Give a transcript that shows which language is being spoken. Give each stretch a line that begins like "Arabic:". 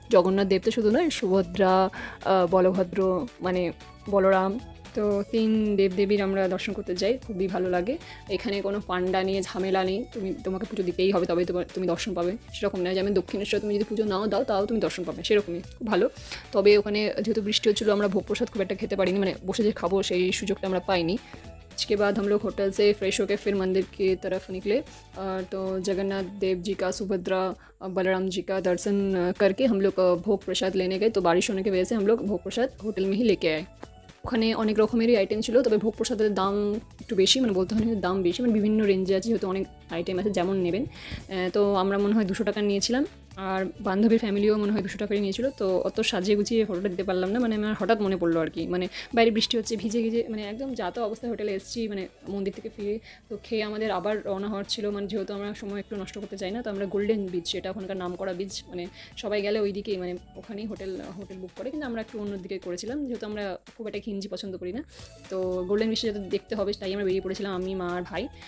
Bangla: জগন্নাথ দেব তো শুধু নয়, সুভদ্রা, বলভদ্র, মানে বলরাম, তো তিন দেবদেবীর আমরা দর্শন করতে যাই, খুবই ভালো লাগে। এখানে কোনো পান্ডা নিয়ে ঝামেলা নেই, তুমি তোমাকে পুজো দিতেই হবে তবে তুমি দর্শন পাবে, সেরকম নয় যে আমি দক্ষিণেশ্বর তুমি যদি পুজো নাও দাও তাও তুমি দর্শন পাবে, সেরকমই, খুব ভালো। তবে ওখানে যেহেতু বৃষ্টি হচ্ছিলো, আমরা ভোগ প্রসাদ খুব একটা খেতে পারিনি, মানে বসে যে খাবো সেই সুযোগটা আমরা পাইনি।
Hindi: इसके बाद हम लोग होटल से फ्रेश होकर फिर मंदिर की तरफ निकले, तो जगन्नाथ देव जी का, सुभद्रा, बलराम जी का दर्शन करके हम लोग भोग प्रसाद लेने गए। तो बारिश होने की वजह से हम लोग भोग प्रसाद होटल में ही लेके आए।
Bangla: ওখানে অনেক রকমেরই আইটেম ছিল, তবে ভোগ প্রসাদের দাম একটু বেশি, মানে বলতে হয় দাম বেশি, মানে বিভিন্ন রেঞ্জে আছে, যেহেতু অনেক আইটেম আছে যেমন নেবেন। তো আমরা মনে হয় 200 টাকা নিয়েছিলাম, আর বান্ধবীর ফ্যামিলিও মনে হয় 200 টাকারই নিয়েছিল, তো অত সাজিয়ে গুছিয়ে ফটোটা দিতে পারলাম না, মানে আমার হঠাৎ মনে পড়লো আর কি, মানে বাইরে বৃষ্টি হচ্ছে, ভিজে ভিজে মানে একদম যা তা অবস্থা, হোটেলে এসেছি মানে মন্দির থেকে ফিরে, তো খেয়ে আমাদের আবার রওনা হওয়ার ছিল, মানে যেহেতু আমরা সময় একটু নষ্ট করতে চাই না, তো আমরা গোল্ডেন বিচ, এটা ওখানকার নাম করা বিচ, মানে সবাই গেলে ওইদিকেই মানে ওখানেই হোটেল বুক করে, কিন্তু আমরা একটু অন্যদিকে করেছিলাম, যেহেতু আমরা খুব একটা খিঞ্জি পছন্দ করি না, তো গোল্ডেন বিচ যাতে দেখতে হবে তাই আমরা বেরিয়ে পড়েছিলাম আমি মা আর ভাই।